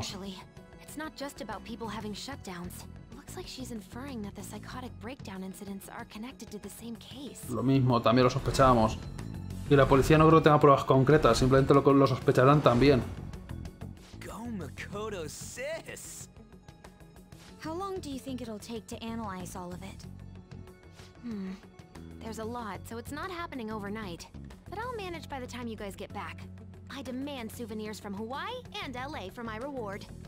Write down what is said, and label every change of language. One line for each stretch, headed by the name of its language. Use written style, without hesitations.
English: Actually, it's not just about people having shutdowns. Looks like she's inferring that the psychotic breakdown incidents are connected to the same case.
Spanish: Lo mismo, también lo sospechábamos. Y la policía no creo que tenga pruebas concretas, simplemente lo sospecharán también.
English: Go, Makoto, sis. How long do you think it'll take to analyze all of it? Hmm. There's a lot, so it's not happening overnight. But I'll manage by the time you guys get back. I demand souvenirs from Hawaii and LA for my reward.